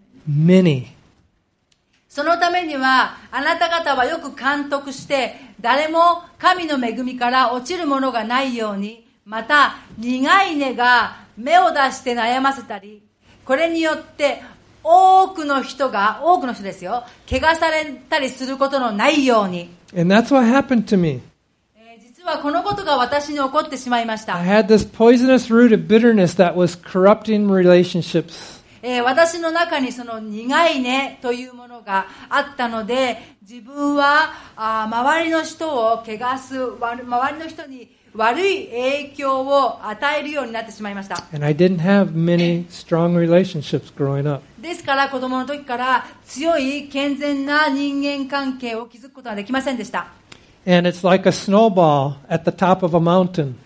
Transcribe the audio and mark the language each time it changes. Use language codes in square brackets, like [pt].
[en] Many. [ja] そのためにはあなた方はよく監督して、誰も神の恵みから落ちるものがないように、また苦い根が芽を出して悩ませたり、これによって多くの人が、多くの人ですよ、怪我されたりすることのないように。 [en] And that's what happened to me. [ja] 実はこのことが私に起こってしまいました。 [en] I had this poisonous root of bitterness that was corrupting relationships. [ja] 私の中にその苦い根というものがあったので、自分は周りの人を怪我す、周りの人に悪い影響を与えるようになってしまいました。 [en] And I didn't have many strong relationships growing up. [ja] ですから子供の時から強い健全な人間関係を築くことができませんでした。 [en] And it's like a snowball at the top of a mountain.